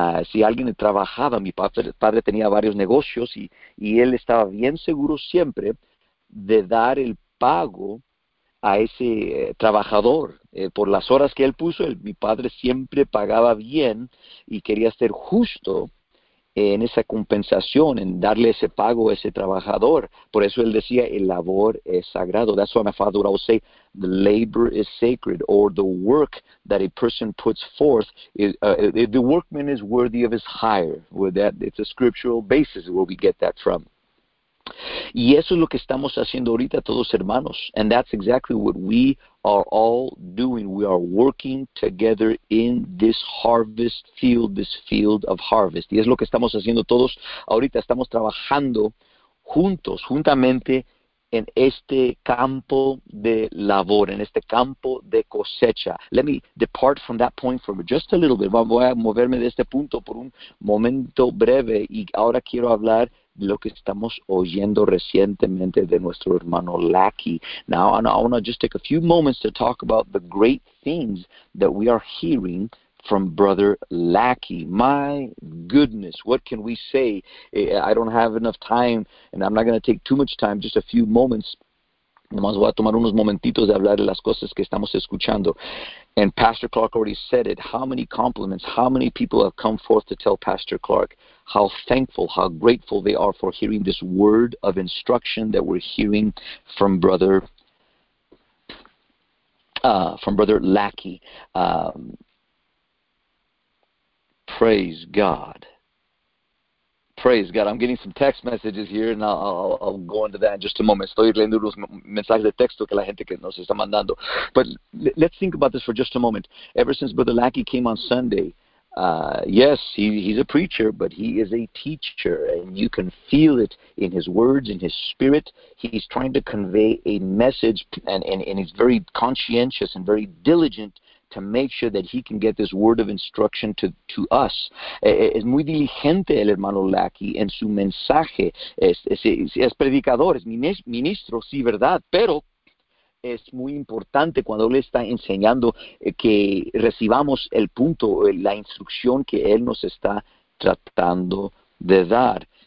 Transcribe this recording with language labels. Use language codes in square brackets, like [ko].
[es] si alguien trabajaba, mi padre tenía varios negocios y él estaba bien seguro siempre de dar el pago a ese trabajador. Por las horas que él puso, mi padre siempre pagaba bien y quería ser justo en esa compensación, en darle ese pago a ese trabajador. Por eso él decía, el labor es sagrado. [en] That's why my father would always say, the labor is sacred, or the work that a person puts forth, the workman is worthy of his hire. With that, it's a scriptural basis where we get that from. [es] Y eso es lo que estamos haciendo ahorita todos hermanos. [en] And that's exactly what we are all doing. We are working together in this harvest field, this field of harvest. [es] Y es lo que estamos haciendo todos ahorita. Estamos trabajando juntos, juntamente en este campo de labor, en este campo de cosecha. [en] Let me depart from that point for just a little bit. [es] Voy a moverme de este punto por un momento breve y ahora quiero hablar lo que estamos oyendo recientemente de nuestro hermano Lackey. [en] Now, I want to just take a few moments to talk about the great things that we are hearing from Brother Lackey. My goodness, what can we say? I don't have enough time, and I'm not going to take too much time, just a few moments. [es] Nomás voy a tomar unos momentitos de hablar de las cosas que estamos escuchando. [en] And Pastor Clark already said it. How many compliments, how many people have come forth to tell Pastor Clark how thankful, how grateful they are for hearing this word of instruction that we're hearing from Brother Lackey. Praise God. Praise God. I'm getting some text messages here, and I'll go into that in just a moment. [es] Estoy leyendo los mensajes de texto que la gente que nos está mandando. [en] But let's think about this for just a moment. Ever since Brother Lackey came on Sunday, yes, he's a preacher, but he is a teacher, and you can feel it in his words, in his spirit. He's trying to convey a message, and he's very conscientious and very diligent to make sure that he can get this word of instruction to us. [es] Es muy diligente el hermano Lackey en su mensaje. Es predicador, es ministro, sí, verdad, pero es muy importante cuando él está enseñando que recibamos el punto, la instrucción que él nos está tratando de dar.